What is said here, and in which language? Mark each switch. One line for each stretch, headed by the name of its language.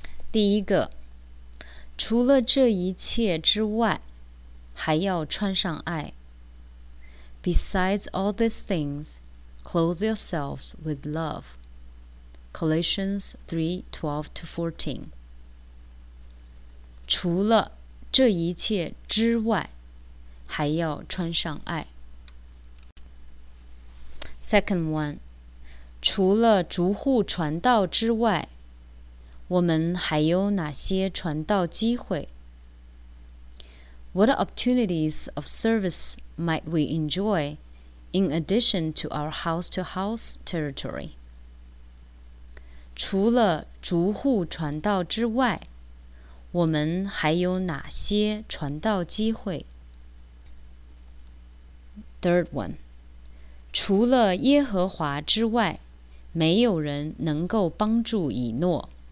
Chinese: 第一个，除了这一切之外，还要穿上爱。
English: Besides all these things, clothe yourselves with love. Colossians 3:12-14.
Chinese: 除了这一切之外，还要穿上爱。
English: Second one.
Chinese: 除了逐户传道之外，我们还有哪些传道机会？
English: What opportunities of service might we enjoy in addition to our house-to-house territory?
Chinese: 除了逐户传道之外，我们还有哪些传道机会？
English: Third one.
Chinese: 除了耶和华之外，没有人能够帮助以诺。